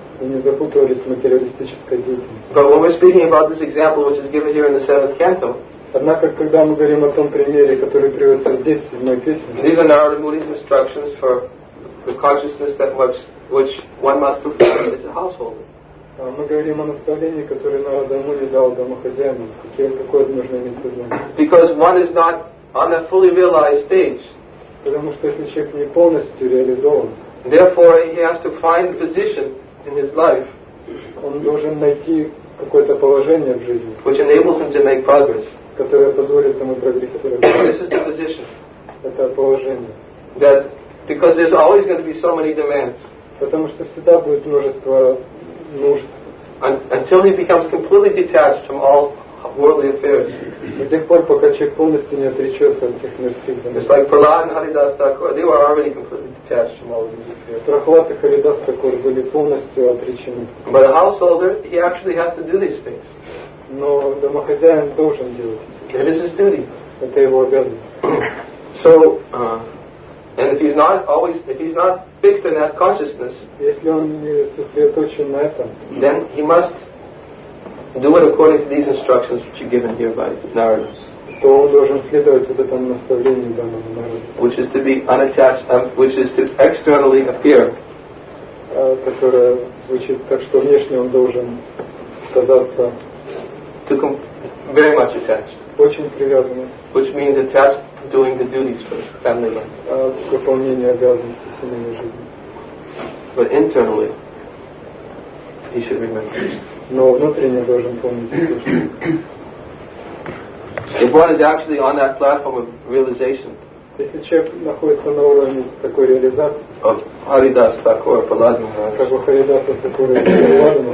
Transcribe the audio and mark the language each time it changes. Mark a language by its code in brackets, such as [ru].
[ru] И не запутывались в материалистической деятельности. [en] But when we're speaking about this example, which is given here in the seventh canto, [ru] однако, когда мы говорим о том примере, который приводится здесь, в седьмой песне, [en] these are Narada Muni's instructions for the consciousness that which one must perform as a householder. [ru] Мы говорим о наставлении, которое Narada Muni дал домохозяину, какое нужно иметь сознание. [en] Because one is not on a fully realized stage. [ru] Потому что если человек не полностью реализован, [en] therefore he has to find a position in his life, [ru] он должен найти какое-то положение в жизни, [en] which enables him to make progress, [ru] которое позволит ему прогрессировать. [en] This is the position. [ru] Это положение. [en] That because there's always going to be so many demands. [ru] Потому что всегда будет множество нужд. [en] Until he becomes completely detached from all worldly affairs. [ru] До тех пор, пока человек полностью не отречется от всех мирских занятий. [en] It's like Prahlad and Haridas Thakur, they were already completely detached from all of these affairs. [ru] Прахлад и Харидас Такур были полностью отречены. [en] But a householder, he actually has to do these things. [ru] Но домохозяин должен делать. [en] It is his duty. [ru] Это его обязанность. [en] So, and if he's not always, if he's not fixed in that consciousness, [ru] если он не сосредоточен на этом, [en] then he must do it according to these instructions which are given here by Narada. [ru] То он должен следовать вот этому наставлению данному Нараде. [en] Which is to be unattached, which is to externally appear. [ru] Которое звучит так, что внешне он должен казаться [en] very much attached. [ru] Очень привязанным. [en] Which means attached doing the duties for the family life. [ru] К выполнению обязанностей семейной жизни. [en] But internally he should remember. [ru] Но внутренне должен помнить это, что... [en] If one is actually on that platform of realization, [ru] если человек находится на уровне такой реализации, [en] of Haridas Thakura Paladmaharaja, [ru] как у Харидаса Такура Паладмаха,